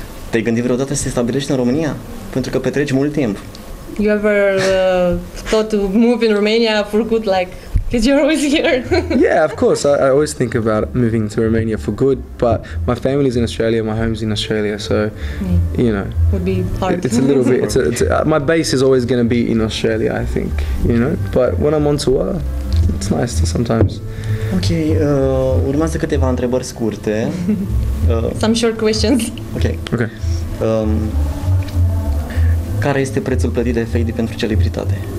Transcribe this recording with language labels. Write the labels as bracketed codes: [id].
[ro] Te-ai gândit vreodată să te stabilești în România? Pentru că petreci mult timp. [en] You ever thought to move in Romania for good, like, because you're always here? Yeah, of course. I always think about moving to Romania for good, but my family's in Australia, my home's in Australia, so, you know. Would be hard. It's a little bit, my base is always going to be in Australia, I think, you know. But when I'm on tour, it's nice to sometimes. [ro] Ok, urmează câteva întrebări scurte. [en] Some short questions. Ok. Okay. [ro] Care este prețul plătit de Fady pentru celebritate?